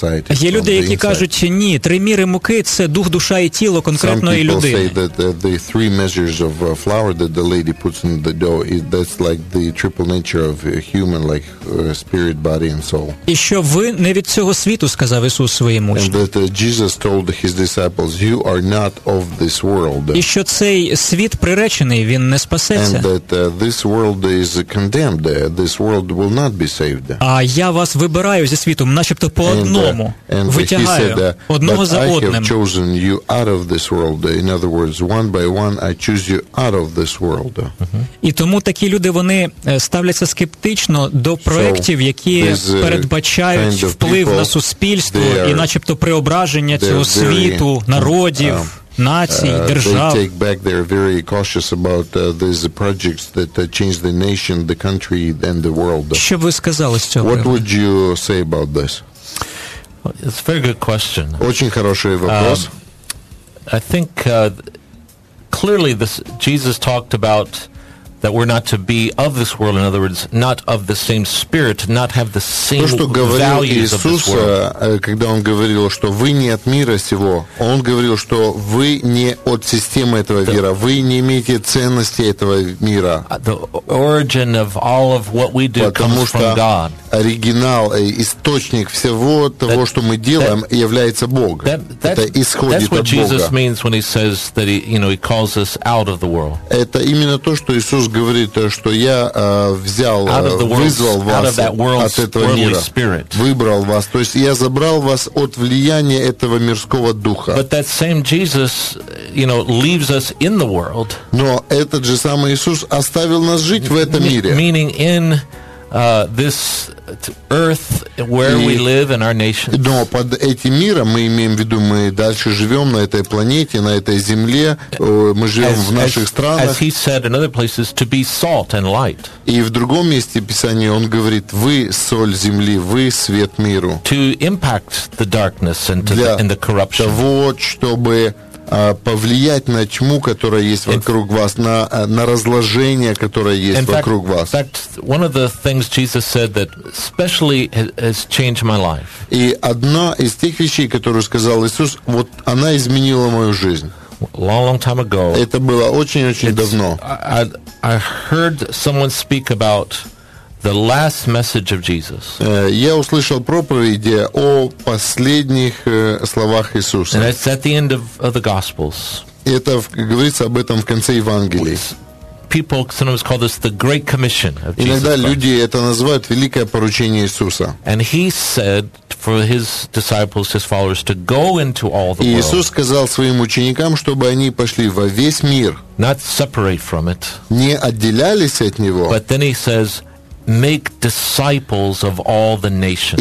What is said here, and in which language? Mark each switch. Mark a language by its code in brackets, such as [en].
[uk] Є люди, які кажуть, ні, три міри муки – це дух, душа і тіло конкретної людини. [en] Some people say that the three measures of flour that the lady puts in the dough, that's like the triple nature of human, like spirit, body and soul. [uk] І що ви не від цього світу, сказав Ісус своїм учням. [en] And that Jesus told his disciples, you are not of this world. [uk] І що цей світ приречений, він не спасеться. [en] And that this world is condemned. This world will not be saved. [uk] А я вас вибираю зі світу, начебто по одному. [en] And [uk] витягаю одного за одним. [en] But I have chosen you out of this world. In other words, one by one, I choose you out of this world. [uk] І тому такі люди, вони ставляться скептично до проєктів, які передбачають вплив на суспільство і начебто преображення цього світу, народів. Націй, держав. [en] They take back, they're very cautious about these projects that change the nation, the country, and the world. [uk] Що ви сказали з цього? [en] What would you say about this? It's a very good question. [ru] Очень хороший вопрос. [en] I think clearly this Jesus talked about that we're not to be of this world, in other words, not of the same spirit, not have the same values of this world. [ru] То, что говорил Иисус, когда он говорил, что вы не от мира сего, он говорил, что вы не от системы этого мира, вы не имеете ценности этого мира. [en] The origin of all of what we do comes from God. [ru] Оригинал, источник всего того, что мы делаем, является Бог. Это исходит от Бога. [en] That's what Jesus means when he says that he calls us out of the world. [ru] Это именно то, что Иисус говорит, что я взял, вызвал вас от этого мира, выбрал вас, то есть я забрал вас от влияния этого мирского духа. [en] But that same Jesus, you know, leaves us in the world. [ru] Но этот же самый Иисус оставил нас жить в этом мире. [en] Meaning in this earth where we live in our nation. [ru] Но под этим миром мы имеем в виду, мы дальше живем на этой планете, на этой земле, мы живем в наших странах. [en] As he said in other places, to be salt and light. [ru] И в другом месте Писания он говорит, вы соль земли, вы свет миру. [en] To impact the darkness and the corruption. [ru] Вот чтобы повлиять на тьму, которая есть вокруг вас, на разложение, которое есть вокруг вас. [en] In fact, one of the things Jesus said that especially has changed my life. [ru] И одна из тех вещей, которую сказал Иисус, вот она изменила мою жизнь. [en] Long, long time ago. [ru] Это было очень-очень давно. [en] I heard someone speak about the last message of Jesus. [ru] Я услышал проповеди о последних словах Иисуса. [en] And it's at the end of the Gospels. [ru] Это говорится об этом в конце Евангелия. [en] People sometimes call this the Great Commission of Jesus. [ru] Иногда люди это называют великое поручение Иисуса. [en] And he said for his disciples, his followers, to go into all the world. [ru] Иисус сказал своим ученикам, чтобы они пошли во весь мир. [en] Not separate from it. [ru] Не отделялись от него. [en] But then he says, make disciples of all the nations.